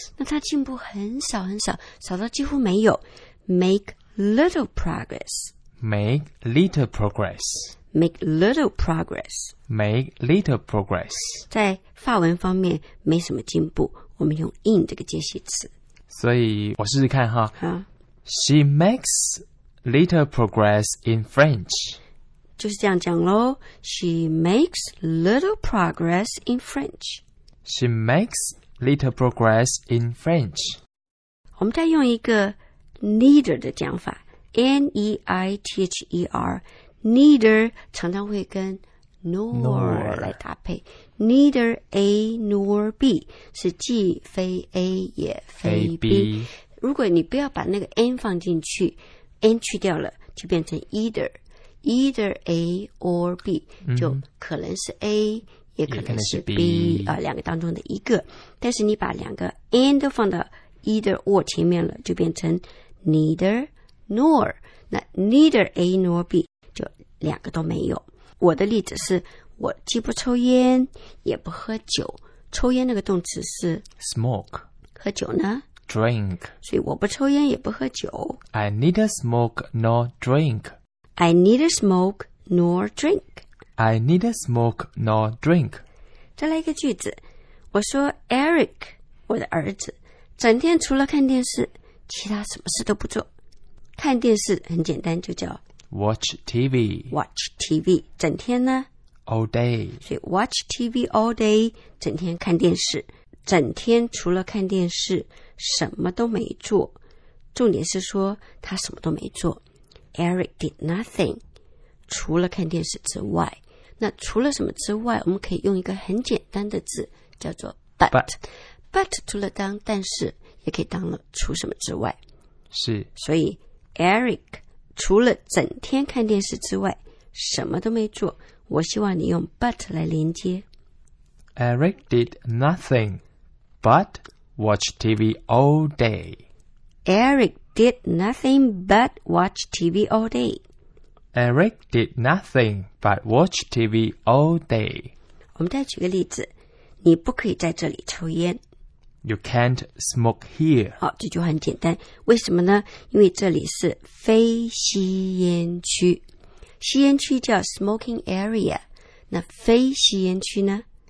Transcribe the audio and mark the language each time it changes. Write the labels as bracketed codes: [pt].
[zh] 那它进步很少很少少到几乎没有 [en] make little progress make little progress make little progress make little progress [zh] 在法文方面没什么进步我们用 in 这个介系词所以我试试看哈、啊、 [en] She makes little progress in French [zh] 就是这样讲咯 [en] She makes little progress in French She makes little progress in French. [zh] 我们再用一个 neither 的讲法 N-E-I-T-H-E-R Neither 常常会跟 nor 来搭配 Neither A nor B 是既非 A 也非 B 如果你不要把那个 N 放进去 N 去掉了就变成 either Either A or B 就可能是 A、嗯也可能是 B, 两个当中的一个但是你把两个 and 都放到 either or 前面了就变成 neither nor 那 neither A nor B 就两个都没有我的例子是我既不抽烟也不喝酒抽烟那个动词是 [en] smoke [zh] 喝酒呢 [en] drink [zh] 所以我不抽烟也不喝酒 [en] I neither smoke nor drink I neither smoke nor drink I neither smoke nor drink. [zh] 再来一个句子，我说 Eric, 我的儿子，整天除了看电视，其他什么事都不做。看电视很简单，就叫 [en] watch TV. Watch TV, [zh] 整天呢 [en] ？All day. [zh] 所以 [en] watch TV all day, [zh] 整天看电视，整天除了看电视，什么都没做。重点是说他什么都没做。 [en] Eric did nothing. [zh] 除了看电视之外那除了什么之外我们可以用一个很简单的字叫做 but 除了当但是也可以当了除什么之外是所以 Eric 除了整天看电视之外什么都没做我希望你用 but 来连接 [en] Eric did nothing but watch TV all day Eric did nothing but watch TV all day Eric did nothing but watch TV all day. [zh] 我们再举个例子，你不可以在这里抽烟。 [en] You can't smoke here. [zh] 好，这句话很简单。为什么呢？因为这里是非吸烟区，吸烟区叫 smoking area。那非吸烟区呢